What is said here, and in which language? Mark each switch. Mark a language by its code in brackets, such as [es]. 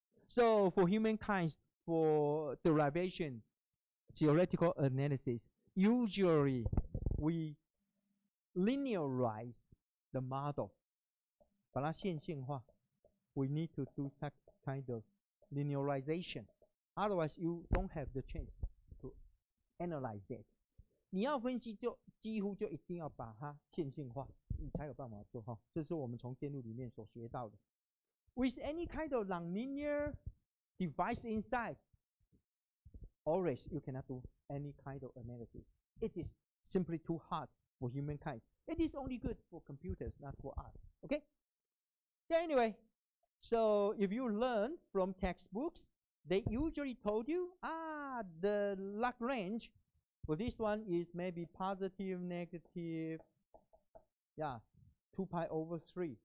[en] So for humankind, for derivation, theoretical analysis, usually we linearize the model. [zh] 把它线性化, [en] we need to do that kind of linearization. Otherwise, you don't have the chance to analyze it. [zh] 你要分析就几乎就一定要把它线性化，你才有办法做哈。这是我们从电路里面所学到的。 [en] With any kind of nonlinear device inside, always you cannot do any kind of analysis. It is simply too hard for humankind. It is only good for computers, not for us. Okay? Yeah, anyway, so if you learn from textbooks, they usually told you, the Lagrange for this one is maybe positive, negative, 2 pi over 3.